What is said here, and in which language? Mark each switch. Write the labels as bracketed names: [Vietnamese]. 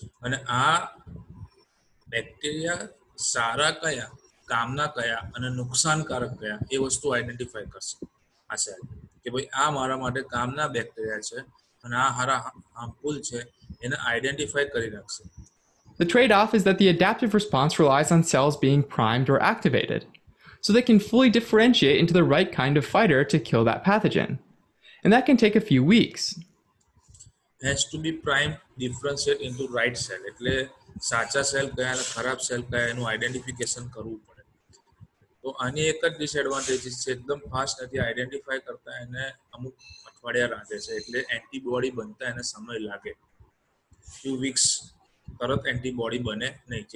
[Gujarati] અને આ બેક્ટેરિયા સારા કયા, કામના કયા અને નુકસાનકારક કયા એ વસ્તુ આઇડેન્ટિફાય કરશે આ સેલ, કે ભાઈ આ મારા માટે કામના બેક્ટેરિયા છે અને આ હારા હાર્મફુલ છે, એને આઇડેન્ટિફાય કરી રાખશે. [English] The trade-off is that the adaptive response relies on cells being primed or activated, so they can fully differentiate into the right kind of fighter to kill that pathogen. And that can take a few weeks. Has to be primed, differentiate into right cell. [Gujarati] એટલે સાચા cell કયા અને ખરાબ cell કયા એનું identification કરવું પડે. તો આની એક જ ડિસએડવાન્ટેજીસ છે, એકદમ ફાસ્ટ નથી આઈડેન્ટિફાય કરતા, એને અમુક અઠવાડિયા લાગે છે. એટલે એન્ટીબોડી બનતા એને સમય લાગે, [English] few weeks [Gujarati] તરત એન્ટીબોડી બને નહીં.